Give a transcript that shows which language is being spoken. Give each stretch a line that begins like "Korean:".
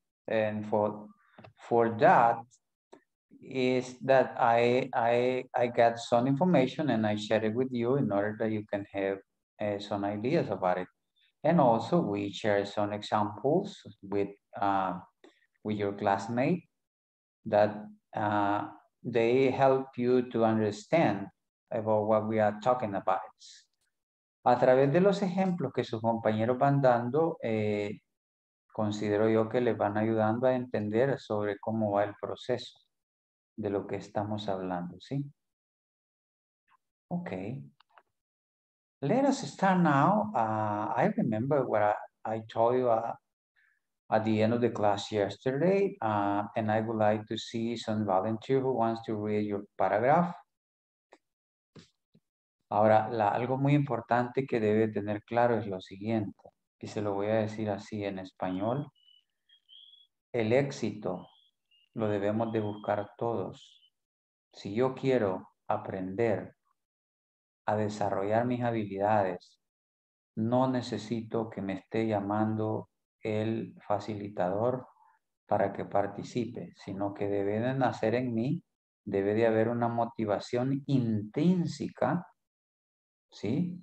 English: And for that is that I get some information and I share it with you in order that you can have some ideas about it. And also we share some examples with your classmate that they help you to understand about what we are talking about.
Spanish: A través de los ejemplos que sus compañeros van dando, considero yo que les van ayudando a entender sobre cómo va el proceso de lo que estamos hablando, ¿sí?
English: Okay. Let us start now. I remember what I told you at the end of the class yesterday, and I would like to see some volunteer who wants to read your paragraph.
Spanish: Ahora, algo muy importante que debe tener claro es lo siguiente, y se lo voy a decir así en español. El éxito lo debemos de buscar todos. Si yo quiero aprender a desarrollar mis habilidades, no necesito que me esté llamando el facilitador para que participe, sino que debe de nacer en mí, debe de haber una motivación intrínseca, ¿sí?